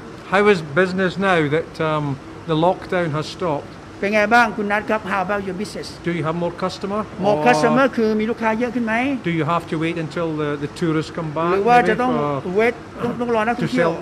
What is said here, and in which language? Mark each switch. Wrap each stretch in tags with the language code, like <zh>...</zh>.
<en>How is business now that the lockdown has stopped?</en> <th>เป็นไงบ้างคุณนัทครับ</th> <en>How about your business? Do you have more customer?</en> <th>More customer คือมีลูกค้าเยอะขึ้นไหม</th> <en>Do you have to wait until the tourists come back?</en> <th>หรือว่าจะต้อง wait ต้องรอนักท่องเที่ยว</th>